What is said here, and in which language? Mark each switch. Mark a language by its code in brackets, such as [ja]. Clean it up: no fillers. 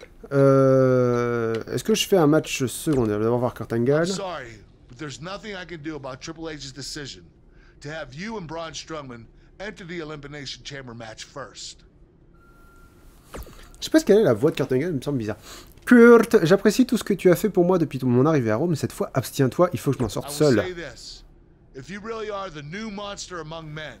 [fr] Est-ce que je fais un match secondaire? D'abord voir Kurt Angle. [en] Sorry, but there's nothing I can do about Triple H's decision to have you and Braun Strowman enter the Elimination Chamber match first. [fr] Je sais pas ce qu'elle est la voix de Kurt Angle, me semble bizarre. Kurt, j'apprécie tout ce que tu as fait pour moi depuis mon arrivée à Rome, mais cette fois, abstiens-toi, il faut que je m'en sorte seul. [en] If you really are the new monster among men,